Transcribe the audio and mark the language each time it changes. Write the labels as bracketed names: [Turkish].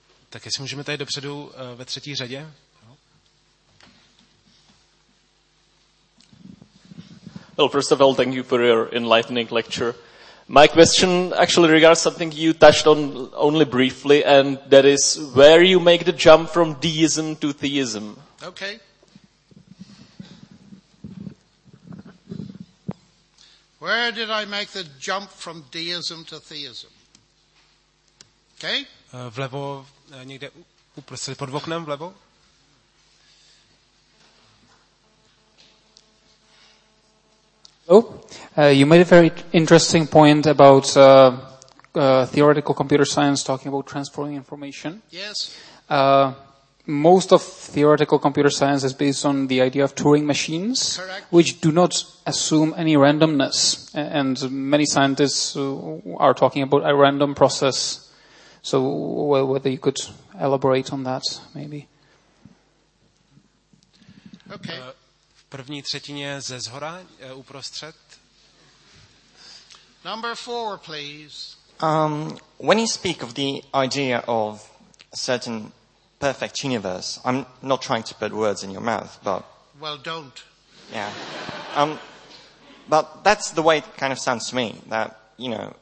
[Czech] Tak jestli můžeme tady dopředu ve třetí řadě. [English] Well, first of all, thank you for your enlightening lecture. My question actually regards something you touched on only briefly, and that is where you make the jump from deism to theism. Okay. Where did I make the jump from deism to theism? Okay. [Czech] Vlevo, někde uprostřed pod oknem, vlevo. [English] Oh, you made a very interesting point about theoretical computer science talking about transforming information. Yes. Most of theoretical computer science is based on the idea of Turing machines. Correct. Which do not assume any randomness. And many scientists are talking about a random process. So whether you could elaborate on that, maybe. Okay. [Czech] První třetině ze zhora, uprostřed. [English] Number four, please. When you speak of the idea of a certain perfect universe, I'm not trying to put words in your mouth, but... Well, don't. Yeah. But that's the way it kind of sounds to me, that, you know...